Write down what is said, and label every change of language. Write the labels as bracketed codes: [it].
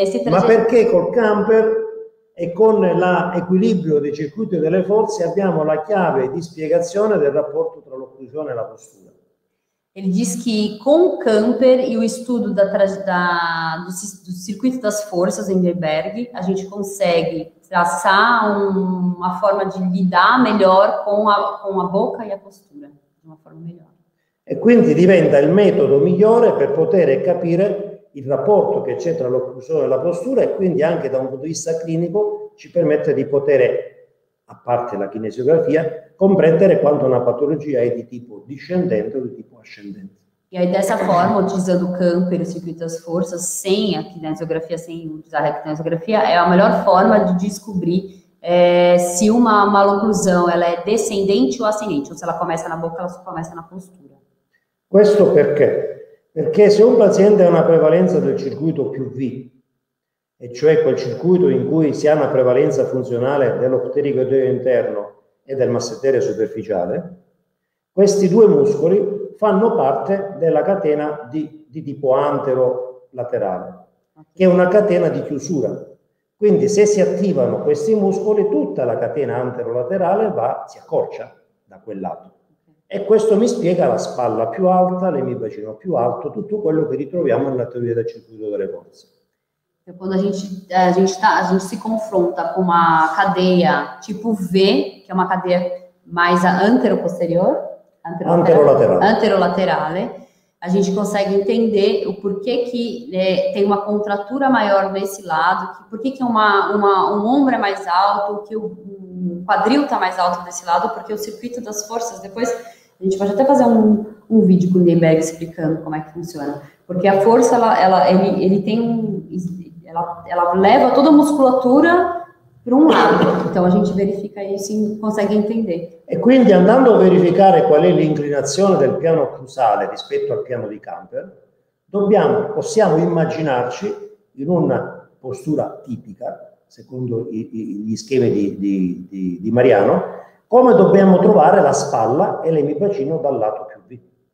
[it] Ma perché col camper e con l'equilibrio dei circuiti e delle forze abbiamo la chiave di spiegazione del rapporto tra l'occlusione e la postura? [pt] Ele diz que com o camper e o estudo do circuito das forças em Lindenberg, a gente consegue traçar uma forma de lidar melhor com a boca e a postura, de uma forma melhor. [it] E quindi diventa il metodo migliore per poter capire il rapporto che c'è tra l'occlusione e la postura, e quindi anche da un punto di vista clinico ci permette di poter, a parte la kinesiografia, comprendere quanto una patologia è di tipo discendente o di tipo ascendente. [pt] E aí, dessa forma, utilizzando o camper, o circuito das forças, sem a kinesiografia, sem usar a kinesiografia, é a melhor forma de descobrir se uma maloclusão ela é descendente ou ascendente, ou se ela começa na boca, ela só começa na postura. [it] Questo perché? Perché se un paziente ha una prevalenza del circuito più V, e cioè quel circuito in cui si ha una prevalenza funzionale dell'opterigoideo interno e del massetere superficiale, questi due muscoli fanno parte della catena di tipo antero-laterale, che è una catena di chiusura. Quindi se si attivano questi muscoli, tutta la catena antero-laterale si accorcia da quel lato. E questo mi spiega la spalla più alta, l'emibacino più alto, tutto quello che ritroviamo nella teoria del circuito delle forze. [pt] Quando a gente se confronta com uma cadeia tipo V, que é uma cadeia mais antero-posterior, antero-laterale, a gente consegue entender o porquê que tem uma contratura maior nesse lado, porquê que um ombro é mais alto, que o quadril está mais alto desse lado, porque o circuito das forças, depois a gente pode até fazer um vídeo com o Lindenberg explicando como é que funciona, porque a força, ele tem um... Ela leva toda a musculatura [it] per un lato, [pt] então a gente verifica isso e consegue entender. [it] E quindi andando a verificare qual è l'inclinazione del piano occlusale rispetto al piano di camper, possiamo immaginarci in una postura tipica, secondo gli schemi di Mariano, come dobbiamo trovare la spalla e l'emibacino dal lato più vicino.